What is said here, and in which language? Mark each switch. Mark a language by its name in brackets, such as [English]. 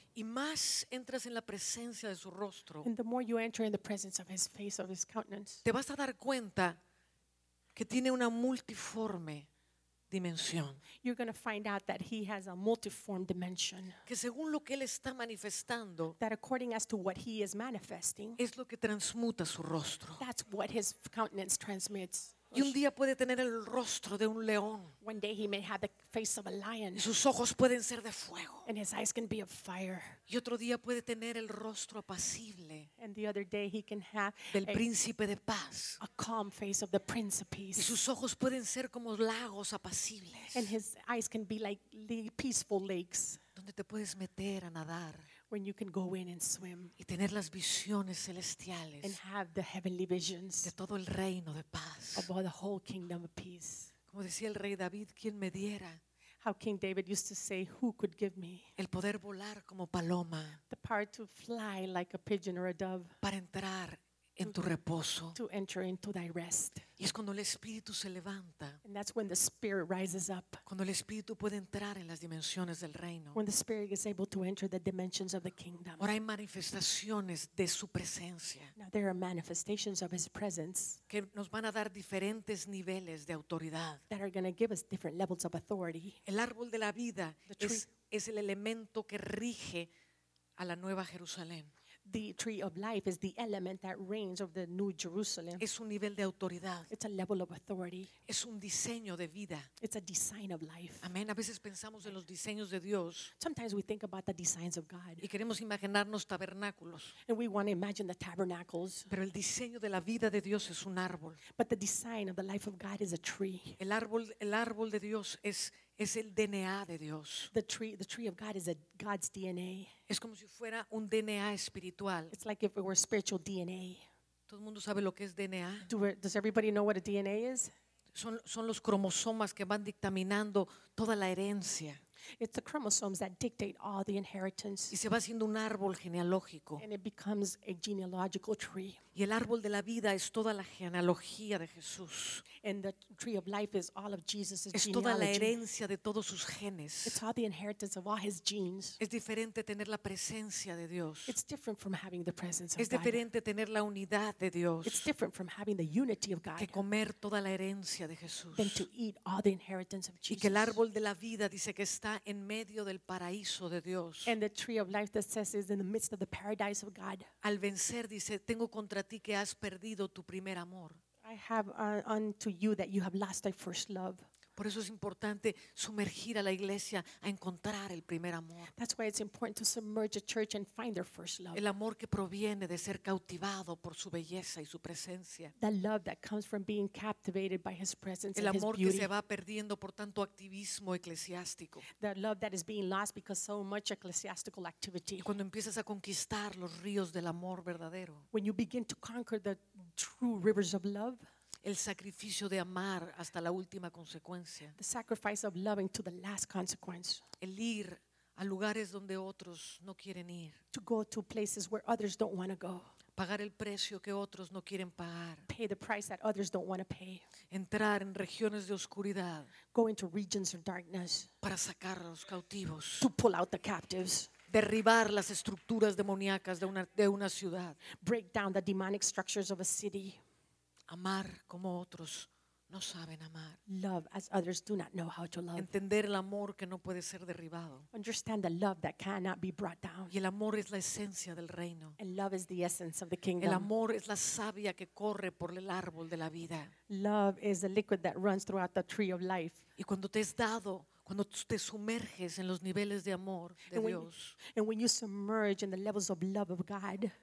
[Spanish] y más entras en la presencia de su rostro, [English] and the more you enter in the presence of his face, of his countenance, [Spanish] te vas a dar cuenta que tiene una multiforme dimensión. [English] You're going to find out that he has a multiform dimension. [Spanish] Que según lo que él está manifestando, [English] that according as to what he is manifesting, [Spanish] es lo que transmuta su rostro. [English] That's what his countenance transmits. [Spanish] Y un día puede tener el rostro de un león. [English] One day he may have the face of a lion. [Spanish] Y sus ojos pueden ser de fuego. [English] And his eyes can be of fire. [Spanish] Y otro día puede tener el rostro apacible. [English] And the other day he can have [Spanish] del príncipe de paz. [English] A calm face of the prince of peace. [Spanish] Y sus ojos pueden ser como lagos apacibles. [English] And his eyes can be like peaceful lakes. [Spanish] Donde te puedes meter a nadar. [English] When you can go in and swim. [Spanish] Y tener las visiones celestiales. [English] And have the heavenly visions. [Spanish] De todo el reino de paz. [English] Of all the whole kingdom of peace. [Spanish] Como decía el rey David, ¿quién me diera? [English] How King David used to say, who could give me? [Spanish] El poder volar como paloma. [English] The power to fly like a pigeon or a dove. [Spanish] Para entrar en tu reposo. [English] To enter into thy rest. [Spanish] Y es cuando el espíritu se levanta. [English] And that's when the spirit rises up. [Spanish] Cuando el espíritu puede entrar en las dimensiones del reino. [English] When the spirit is able to enter the dimensions of the kingdom. [Spanish] Ahora hay manifestaciones de su presencia. [English] Now there are manifestations of his presence. [Spanish] Que nos van a dar diferentes niveles de autoridad. [English] That are going to give us different levels of authority. [Spanish] El árbol de la vida es el elemento que rige a la Nueva Jerusalén. [English] The tree of life is the element that reigns over the New Jerusalem. [Spanish] Es un nivel de autoridad. [English] It's a level of authority. [Spanish] Es un diseño de vida. [English] It's a design of life. [Spanish] Amén. A veces pensamos en los diseños de Dios. [English] Sometimes we think about the designs of God. [Spanish] Y queremos imaginarnos tabernáculos. [English] And we want to imagine the tabernacles. [Spanish] Pero el diseño de la vida de Dios es un árbol. [English] But the design of the life of God is a tree. [Spanish] El árbol de Dios es el DNA de Dios. [English] The tree of God is God's DNA. [Spanish] Es como si fuera un DNA espiritual. [English] It's like if it were spiritual DNA. [Spanish] ¿Todo el mundo sabe lo que es DNA? [English] Does everybody know what a DNA is? [Spanish] Son los cromosomas que van dictaminando toda la herencia. [English] It's the chromosomes that dictate all the inheritance. [Spanish] Y se va haciendo un árbol genealógico. [English] And it becomes a genealogical tree. [Spanish] Y el árbol de la vida es toda la genealogía de Jesús. [English] And the tree of life is all of Jesus' genealogy. [Spanish] Es toda la herencia de todos sus genes. [English] It's all the inheritance of all his genes. [Spanish] Es diferente tener la presencia de Dios. [English] It's different from having the presence of [Spanish] God. Es diferente tener la unidad de Dios. [English] It's different from having the unity of God. [Spanish] Que comer toda la herencia de Jesús. [English] Than to eat all the inheritance of Jesus. [Spanish] Y que el árbol de la vida dice que está en medio del paraíso de Dios. [English] And the tree of life that says is in the midst of the paradise of God. [Spanish] Al vencer dice, tengo contra ti que has perdido tu primer amor. [English] I have unto you that you have lost thy first love. [Spanish] Por eso es importante sumergir a la iglesia a encontrar el primer amor. [English] That's why it's important to submerge a church and find their first love. [Spanish] El amor que proviene de ser cautivado por su belleza y su presencia. [English] The love that comes from being captivated by his presence and his beauty. [Spanish] El amor que se va perdiendo por tanto activismo eclesiástico. [English] The love that is being lost because so much ecclesiastical activity. [Spanish] Cuando empiezas a conquistar los ríos del amor verdadero. [English] When you begin to conquer the true rivers of love. [Spanish] El sacrificio de amar hasta la última consecuencia. [English] The sacrifice of loving to the last consequence. [Spanish] El ir a lugares donde otros no quieren ir. [English] To go to places where others don't want to go. [Spanish] Pagar el precio que otros no quieren pagar. [English] Pay the price that others don't want to pay. [Spanish] Entrar en regiones de oscuridad. [English] Go into regions of darkness. [Spanish] Para sacar a los cautivos. [English] To pull out the captives. [Spanish] Derribar las estructuras demoníacas de una ciudad. [English] Break down the demonic structures of a city. [Spanish] Amar como otros no saben amar. [English] Love as others do not know how to love. [Spanish] Entender el amor que no puede ser derribado. [English] Understand the love that cannot be brought down. [Spanish] Y el amor es la esencia del reino. [English] And love is the essence of the kingdom. [Spanish] El amor es la savia que corre por el árbol de la vida. [English] Love is the liquid that runs throughout the tree of life. [Spanish] Y cuando te es dado, cuando te sumerges en los niveles de amor de Dios. [English] And when you submerge in the levels of love of God.